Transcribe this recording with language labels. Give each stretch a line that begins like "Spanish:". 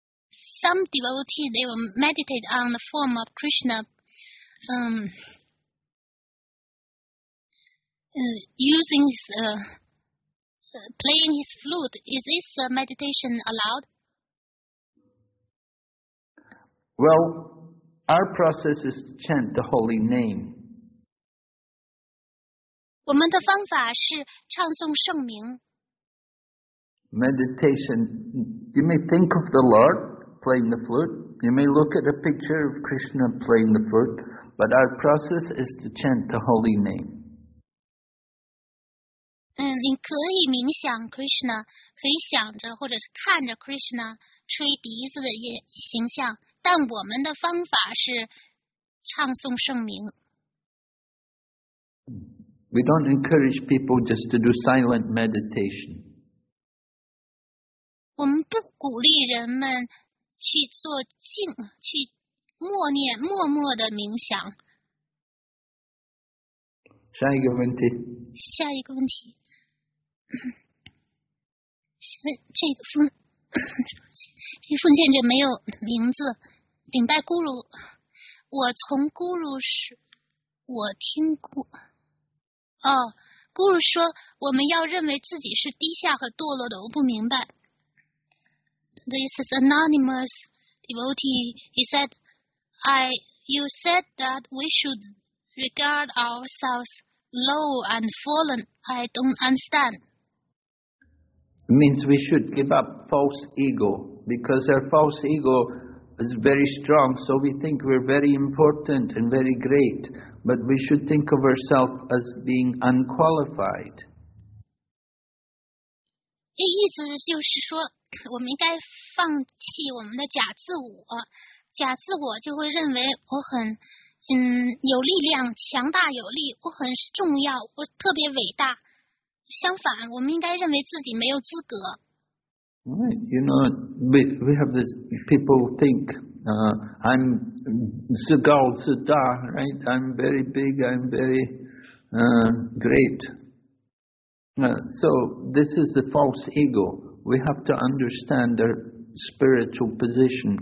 English: Some devotees they will meditate on the form of Krishna using his playing his flute. Is this meditation allowed? Well, our process is to chant the holy name.
Chinese: 我们的方法是唱诵圣名。
English: Meditation, you may think of the Lord playing the flute. You may look at a picture of Krishna playing the flute. But our process is to chant the holy name.
Chinese: 你可以冥想 Krishna, 可以想着或者是看着 Krishna 吹笛子的形象。但我们的方法是唱诵圣名。
English: We don't encourage people just to do silent meditation.
Chinese: 我们不鼓励人们去做静，去默念，默默的冥想。下一个问题。下一个问题。这个奉，这奉献者没有名字。顶戴咕噜，我从咕噜是，我听咕，哦，咕噜说我们要认为自己是低下和堕落的，我不明白。
English: This is anonymous devotee. He said, you said that we should regard ourselves low and fallen. I don't understand. It means we should give up false ego because our false ego. Is very strong, so we think we're very important and very great, but we should think of ourselves as being unqualified.
Chinese: 这意思就是说，我们应该放弃我们的假自我。假自我就会认为我很，有力量，强大有力，我很重要，我特别伟大。相反，我们应该认为自己没有资格。
English: You know, we have this, people think, I'm Zagal Zada, right? I'm very big, I'm very great. So this is the false ego. We have to understand our spiritual position.